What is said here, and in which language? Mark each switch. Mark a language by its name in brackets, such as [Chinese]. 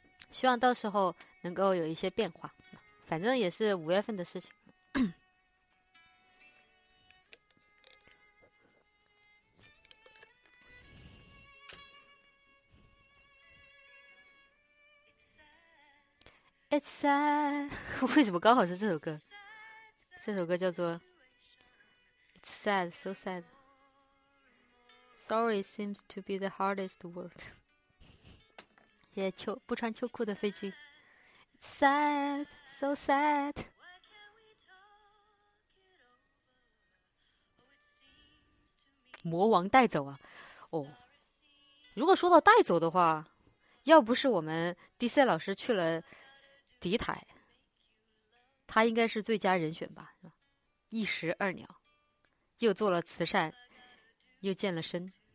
[Chinese] 希望到时候能够有一些变化。反正也是5月份的事情。 [English] It's sad， [Chinese] 为什么刚好是这首歌？这首歌叫做 [English] It's sad, so sad. Sorry seems to be the hardest word. [Chinese] 谢谢秋不穿秋裤的飞机。 [English] It's sad. So sad. [Chinese] 魔王带走啊，哦，如果说到带走的话，要不是我们 DC 老师去了敌台，他应该是最佳人选吧，一石二鸟，又做了慈善，又健了身。